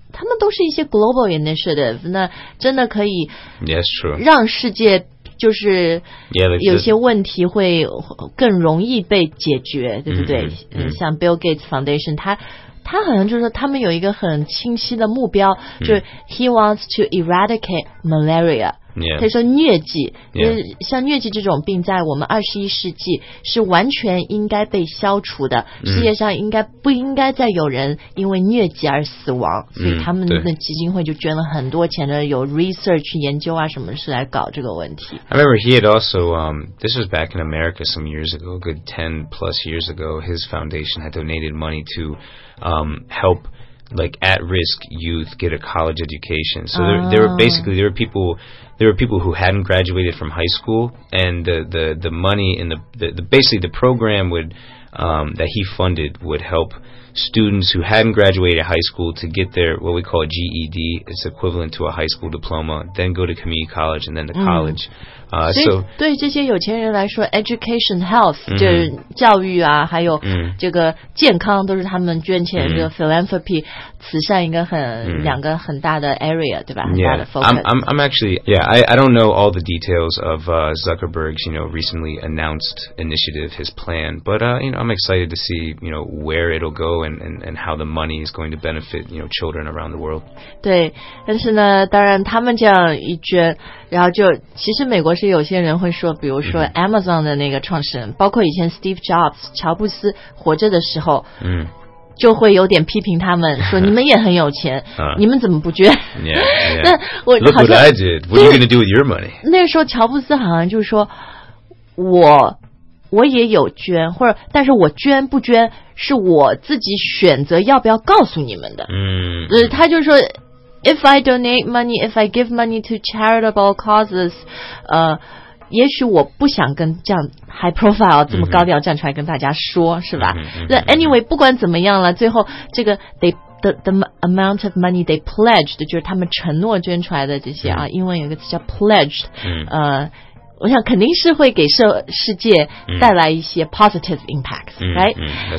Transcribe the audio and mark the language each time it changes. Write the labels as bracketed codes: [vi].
[zh] 他们都是一些 [en] global initiative, [zh] 那真的可以 [en] yes, true. [zh] 让世界就是有些问题会更容易被解决、 [en] yeah, [zh] 对不对、mm-hmm. 像 Bill Gates Foundation, 他好像就是他们有一个很清晰的目标、mm-hmm. 就是 [en] he wants to eradicate malaria, Yeah. [zh] 他说疟疾、 [en] yeah. [zh] 像疟疾这种病在我们二十一世纪是完全应该被消除的、 mm. 世界上应该不应该再有人因为疟疾而死亡、 mm. 所以他们的基金会就捐了很多钱的有 research 研究啊什么事来搞这个问题 [en] I remember he had also this was back in America some years ago a good 10 plus years ago his foundation had donated money to helplike at-risk youth get a college education. So there were basically, there were people who hadn't graduated from high school and the money and the basically the program would, that he funded would help students who hadn't graduated high school to get their, what we call a GED, it's equivalent to a high school diploma, then go to community college and then to college.、 [zh] 嗯所以对这些有钱人来说 [en] education health、 [zh] mm-hmm. 就是教育啊还有这个健康都是他们捐钱、mm-hmm. 这个 philanthropy 慈善一个很、mm-hmm. 两个很大的 area 对吧、 [en] yeah. [zh] 很大的 focus [en] I'm actually yeah I don't know all the details of Zuckerberg's you know recently announced initiative his plan but you know I'm excited to see you know where it'll go and how the money is going to benefit you know children around the world [zh] 对但是呢当然他们这样一捐然后就其实美国是有些人会说比如说 Amazon 的那个创始人、mm-hmm. 包括以前 Steve Jobs 乔布斯活着的时候、 mm-hmm. 就会有点批评他们说你们也很有钱、你们怎么不捐 [en] yeah, yeah. Look what I did What are you going to do with your money [zh] 那时候乔布斯好像就说我也有捐或者但是我捐不捐是我自己选择要不要告诉你们的、 mm-hmm. 他就说 [en] If I donate money, if I give money to charitable causes, [zh] 也许我不想跟这样 [en] high profile [zh] 这么高调站出来跟大家说、 mm-hmm. 是吧、 mm-hmm. Anyway, 不管怎么样了最后这个 [en] the amount of money they pledged, [zh] 就是他们承诺捐出来的这些、mm-hmm. 英文有一个词叫 pledged,、 mm-hmm. 我想肯定是会给世界带来一些 [en] positive impacts、嗯、 right、嗯嗯、